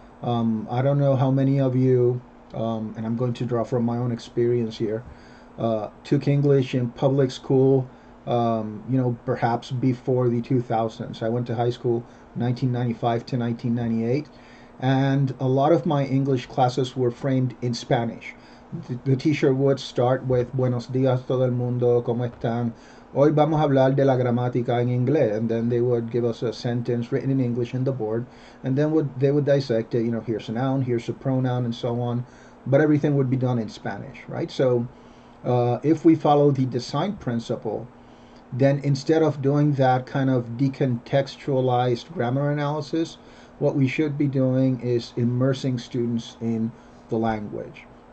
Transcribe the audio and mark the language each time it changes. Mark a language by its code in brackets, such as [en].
[en] I don't know how many of you, and I'm going to draw from my own experience here, took English in public school, you know, perhaps before the 2000s. I went to high school 1995 to 1998, and a lot of my English classes were framed in Spanish. The teacher would start with, [es] Buenos días, todo el mundo, ¿cómo están? Hoy vamos a hablar de la gramática en inglés. [en] And then they would give us a sentence written in English in the board, and then they would dissect it, you know, here's a noun, here's a pronoun, and so on. But everything would be done in Spanish, right? So if we follow the design principle, then instead of doing that kind of decontextualized grammar analysis, what we should be doing is immersing students in the language.